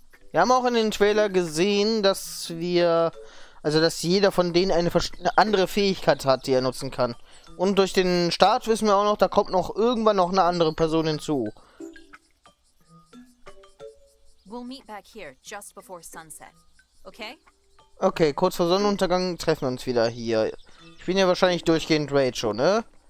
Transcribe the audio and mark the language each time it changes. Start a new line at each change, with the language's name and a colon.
German: Wir haben auch in den Trailer gesehen, dass wir... Also, dass jeder von denen eine andere Fähigkeit hat, die er nutzen kann. Und durch den Start wissen wir auch noch, da kommt noch irgendwann noch eine andere Person hinzu.
English: We'll meet back here just before sunset. Okay?
German: Okay, kurz vor Sonnenuntergang treffen wir uns wieder hier. Ich bin ja wahrscheinlich durchgehend Rage schon, ne?